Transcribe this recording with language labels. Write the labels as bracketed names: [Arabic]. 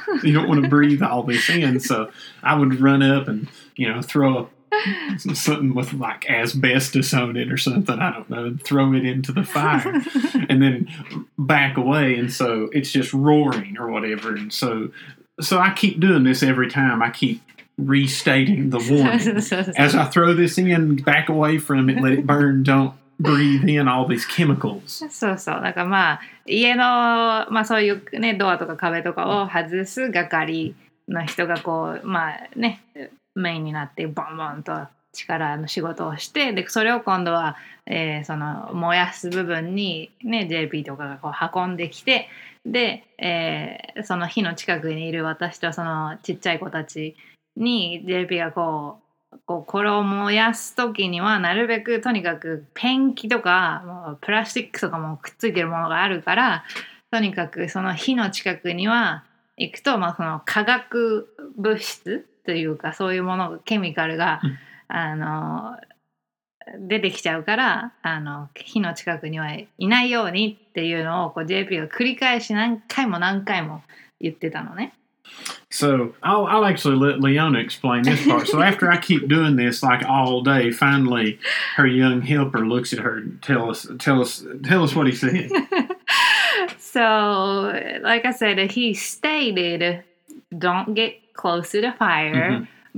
[English] You don't want to breathe all this in. So I would run up and, you know, throw something with like asbestos on it or something, I don't know, and throw it into the fire and then back away. And so it's just roaring or whatever. And so I keep doing this every time. I keep restating the warning. As I throw this in, back away from it, let it burn, don't breathe in all these chemicals. [Japanese] そうそう、なんかまあ家のまあそういうねドアとか壁とかを外す係の人がこうまあねメインになってボンボンと力の仕事をして、でそれを今度は、その燃やす部分にね JP とかがこう運んできて、で、その火の近くにいる私とそのちっちゃい子たちに JP がこうこれを燃やすときにはなるべくとにかくペンキとかプラスチックとかもくっついてるものがあるから、とにかくその火の近くには行くと、まあ、その化学物質というかそういうものケミカルが、うん、あの出てきちゃうから、あの火の近くにはいないようにっていうのをこう JP が繰り返し何回も何回も言ってたのね。 [English] So I'll actually let Leona explain this part. So after I keep doing this like all day, finally her young helper looks at her and tell us what he said. So like I said, he stated don't get close to the fire, mm-hmm.